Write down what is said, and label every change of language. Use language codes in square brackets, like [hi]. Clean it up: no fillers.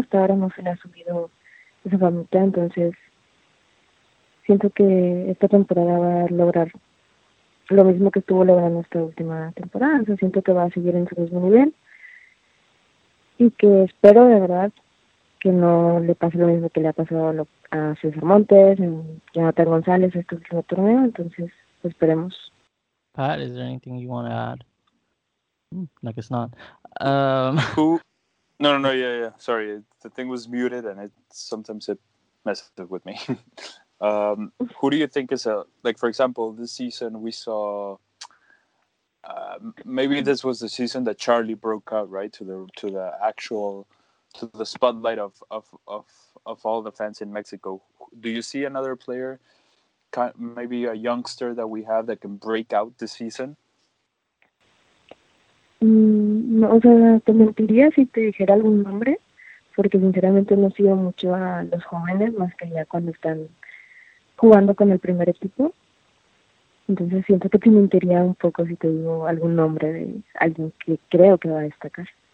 [es] Hasta ahora no se le ha subido esa famita, entonces siento que esta temporada va a lograr lo mismo que estuvo logrando esta última temporada. O sea, siento que va a seguir en su mismo nivel. Y que espero de verdad que no le pase lo mismo que le ha pasado a César Montes, a Jonathan González, este último torneo. Entonces, esperemos. [en] Pat, is there anything you want to add? No, I guess not. Who? Yeah. Sorry, the thing was muted and it sometimes messes up with me. who do you think is a, like, for example, this season we saw. Maybe this was the season that Charlie broke out, right, to the spotlight of all the fans in Mexico. Do you see another player, maybe a youngster that we have that can break out this season? [es] No, o sea, te mentiría si te dijera algún nombre, porque sinceramente no sigo mucho a los jóvenes más que ya cuando están jugando con el primer equipo. Entonces siento que te mentiría un poco si te digo algún nombre de alguien que creo que va a destacar.